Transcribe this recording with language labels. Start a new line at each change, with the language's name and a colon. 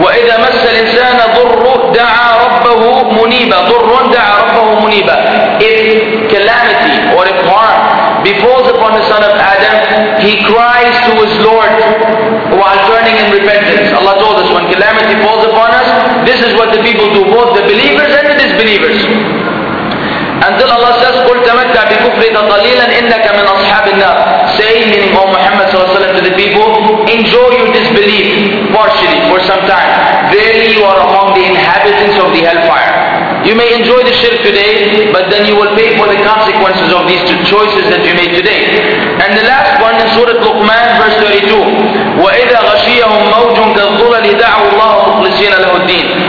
Arabic: وَإِذَا مَسَّ الْإِنسَانَ ضُرُّ دَعَى رَبَّهُ مُنِيبًا ضُرٌّ دَعَى رَبَّهُ مُنِيبًا.
English: If calamity or if harm befalls upon the son of Adam, he cries to his Lord while turning in repentance. Allah told us when calamity falls upon us, this is what the people do, both the believers and the disbelievers. Until Allah says,
Arabic: قُلْ تَمَتَّعْ بِكُفْرِكَ قَلِيلًا إِنَّكَ مِنْ أَصْحَابِ النَّارِ.
English: Say, meaning O Muhammad ﷺ, to the people, enjoy your disbelief partially for some time. Verily you are among the inhabitants of the hellfire. You may enjoy the shirk today, but then you will pay for the consequences of these two choices that you made today. And the last one in Surah Luqman, verse 32.
Arabic: وَإِذَا غَشِيَهُمْ مَوْجٌ كَالظُّلَلِ دَعُوا اللَّهُ مُخْلِصِينَ لَهُ الدِّينَ.